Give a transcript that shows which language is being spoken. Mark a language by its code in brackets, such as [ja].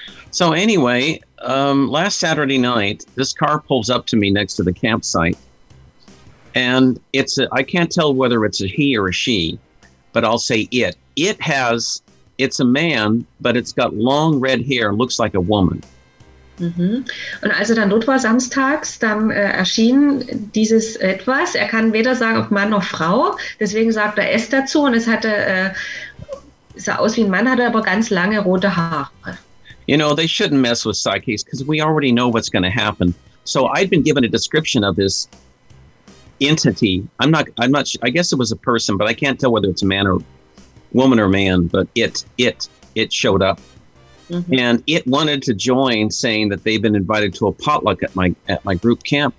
[en] So anyway, last Saturday night, this car pulls up to me next to the campsite. And I can't tell whether it's a he or a she, but I'll say it. It's a man, but it's got long red hair, looks like a woman. Mhm. [de] Und als er dann dort war, samstags, dann erschien dieses Etwas. Er kann weder sagen, ob Mann noch Frau, deswegen sagt er es dazu. Und es hatte, sah aus wie ein Mann, hatte aber ganz lange rote Haare. [en] You know, they shouldn't mess with psyches, because we already know what's going to happen. So I'd been given a description of this entity. I guess it was a person, but I can't tell whether it's a man or woman or man, but it showed up. Mm-hmm. And it wanted to join, saying that they've been invited to a potluck at my group camp.